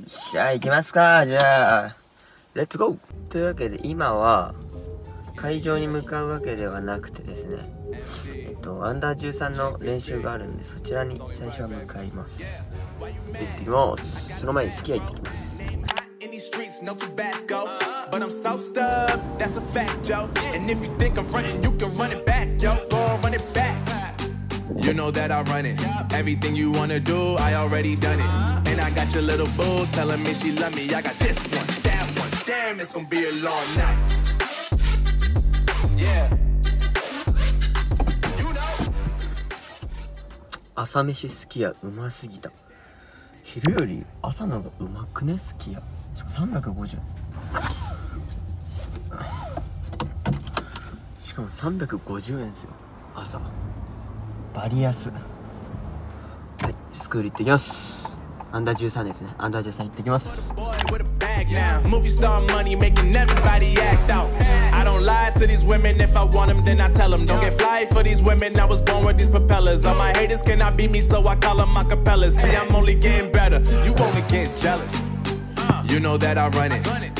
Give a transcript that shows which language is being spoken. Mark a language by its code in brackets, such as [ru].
[ja] じゃあ行きますか。じゃあレッツゴー。というわけで今は会場に向かうわけではなくてですね、U13 の練習があるんで、そちらに最初は向かいます。行ってきます。その前にスキー行ってきます。 [en] No Tabasco, but I'm so stubbed, that's a fact, yo. And if you think I'm frontin', you can run it back, yo. Go run it back. You know that I run it. Everything you wanna do, I already done it. And I got your little boo telling me she love me. I got this one, that one. Damn, it's gonna be a long night. Yeah. You know. [ja] 朝飯すき家うますぎた。昼より朝のがうまくね、すき家。 350円、しかも350円ですよ、朝バリ安。はい、スクール行ってきます。アンダー13ですね、アンダー13行ってきます。 [en] Movie star money making everybody act out. I don't lie to these women. If I want them, then I tell them. Don't get fly for these women. I was born with these propellers. All my haters cannot beat me, so I call them my capellas. See, I'm only getting better. You only get jealous. You know that I run it.